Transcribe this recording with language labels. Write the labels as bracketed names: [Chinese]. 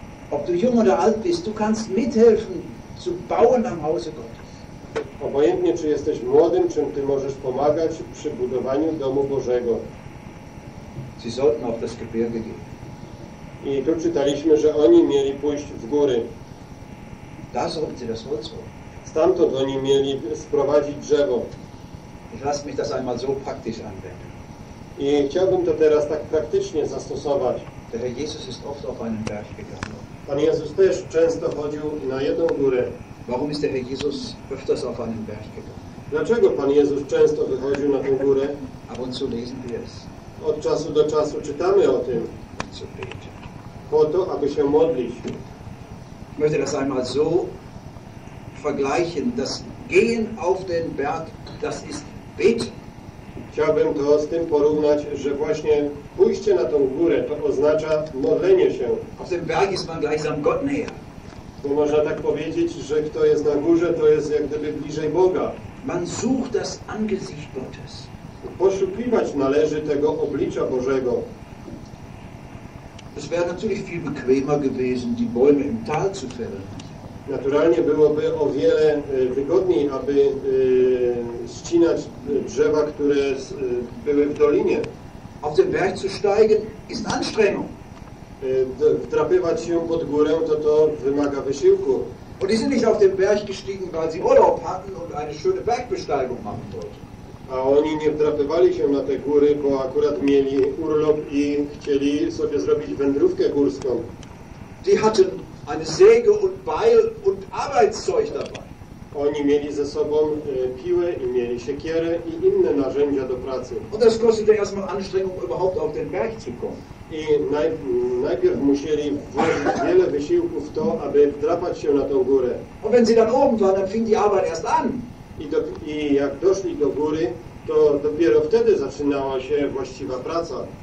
[German] Ob du jung oder alt bist, du kannst mithelfen zu bauen am Hause Gottes. [Polish] Obojętnie, czy jesteś młodym, czym ty możesz pomagać przy budowaniu domu Bożego. [German] Sie sollten auf das Gebirge gehen. [Polish] I tu czytaliśmy, że oni mieli pójść w góry. [German] Da sollten sie das Holz holen. [Polish] Stamtąd oni mieli sprowadzić drzewo. [German] Ich lasse mich das einmal so praktisch anwenden. [Polish] I chciałbym to teraz tak praktycznie zastosować. [German] Der Herr Jesus ist oft auf einen Berg gegangen. [Polish] Pan Jezus też często chodził na jedną górę. [German] Warum ist der Herr Jesus öfters auf einen Berg gegangen? [Polish] Dlaczego Pan Jezus często wychodził na tę górę? [German] Ab und zu lesen wir es. [Polish] Od czasu do czasu czytamy o tym. [German] Zu beten. [Polish] Po to, aby się modlić. [German] Ich möchte das einmal so vergleichen. Das Gehen auf den Berg, das ist beten. [Polish] Chciałbym to z tym porównać, że właśnie pójście na tą górę, to oznacza modlenie się. [German] Auf dem Berg ist man gleichsam Gott näher. [Polish] Bo można tak powiedzieć, że kto jest na górze, to jest jak gdyby bliżej Boga. [German] Man sucht das Angesicht Gottes. [Polish] Poszukiwać należy tego oblicza Bożego. [German] Es wäre natürlich viel bequemer gewesen, die Bäume im Tal zu fällen. [Polish] Naturalnie byłoby o wiele wygodniej, aby ścinać drzewa, które były w dolinie. [German] Auf den Berg zu steigen ist Anstrengung. [Polish] Wdrapywać się pod górę, to wymaga wysiłku. [German] Und die sind nicht auf den Berg gestiegen, weil sie Urlaub hatten und eine schöne Bergbesteigung machen wollten. [Polish] A oni nie wdrapywali się na te góry, bo akurat mieli urlop i chcieli sobie zrobić wędrówkę górską. [German] Die hatten eine Säge und Beil und Arbeitszeug dabei. [Polish] Oni mieli ze sobą piłę i mieli siekierę i inne narzędzia do pracy. [German] Und das kostete erstmal Anstrengung, überhaupt auf den Berg zu kommen. [Polish] I najpierw musieli włożyć wiele wysiłku w to, aby wdrapać się na tą górę. [German] Und wenn sie dann oben waren, dann fing die Arbeit erst an. [Polish] I jak doszli do góry, to dopiero wtedy zaczynała się właściwa praca.